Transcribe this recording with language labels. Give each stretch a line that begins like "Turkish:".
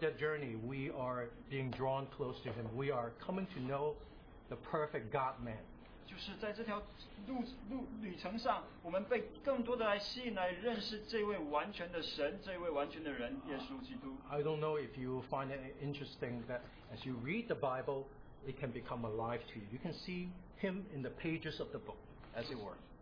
English: that journey, we are being drawn close to him. We are coming to know the perfect God-man.
Chinese: 就是在这条旅程上，我们被更多的来吸引，来认识这位完全的神，这位完全的人，耶稣基督。
English: I don't know if you find it interesting that as you read the Bible, it can become alive to you. You can see him in the pages of the book, as it were.